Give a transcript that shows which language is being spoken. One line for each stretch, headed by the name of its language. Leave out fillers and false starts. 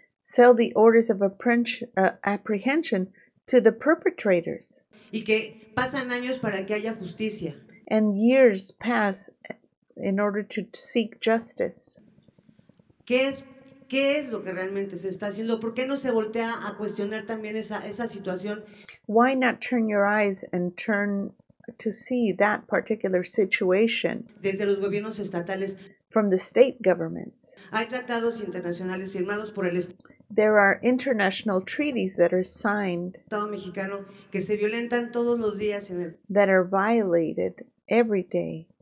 English: sell the orders of apprehension to the perpetrators.
Spanish: Y que pasan años para que haya justicia.
English: And years pass in order to seek justice.
Spanish: ¿Qué es lo que realmente se está haciendo? ¿Por qué no se voltea a cuestionar también esa situación?
English: Why not turn your eyes and turn to see that particular situation?
Spanish: Desde los gobiernos estatales.
English: From the state governments.
Spanish: Hay tratados internacionales firmados por el Estado.
English: There are international treaties that are signed
Spanish: mexicano, que se violentan todos los días en el,
English: that are violated every day